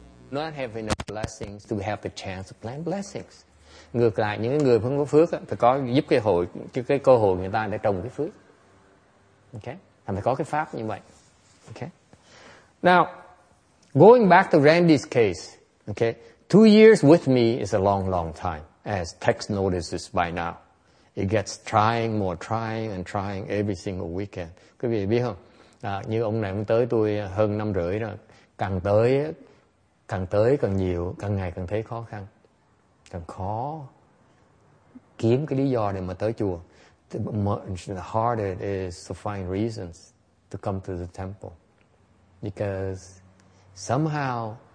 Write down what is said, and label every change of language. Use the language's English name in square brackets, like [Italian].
[English] Not have enough blessings to have the chance to plant blessings. [Vietnamese] Ngược lại, những người không có phước phải có giúp cái cơ hội người ta để trồng cái phước. [English] Okay? [Vietnamese] Phải có cái pháp như vậy. [English] Okay? Now, going back to Randy's case, okay, 2 years with me is a long, long time, as text notices by now. It gets trying, more trying and trying every single weekend. [Vietnamese] Quý vị biết không? Như ông này cũng tới tôi hơn 5 rưỡi rồi. Càng tới càng nhiều, càng ngày càng thấy khó khăn, càng khó kiếm cái lý do để mà tới chùa. [English] The harder it is to find reasons to come to the temple, because somehow